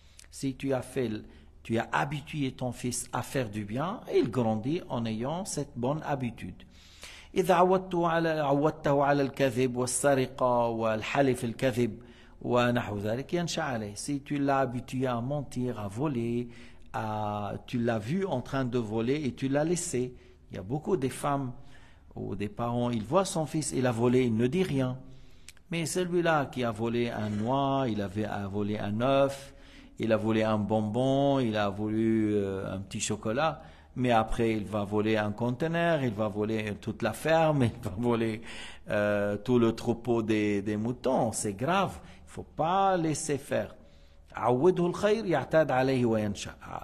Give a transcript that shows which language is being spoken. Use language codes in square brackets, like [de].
[fr] Si tu as habitué ton fils à faire du bien, il grandit en ayant cette bonne habitude. [ar] إذا عودته على الكذب والسرقة والحلف الكذب ونحو ذلك ينشا عليه. [fr] Si tu l'as habitué à mentir, à voler, tu l'as vu en train de voler et tu l'as laissé. Il y a beaucoup de femmes ou des parents, ils voient son fils, il a volé, il ne dit rien. Mais celui-là qui a volé un noix, il avait volé un œuf, il a volé un bonbon, il a voulu un petit chocolat, mais après il va voler un conteneur, il va voler toute la ferme, il va voler tout le troupeau des moutons, c'est grave. Il ne faut pas laisser faire. [ar] عوده الخير يعتاد عليه وينشا.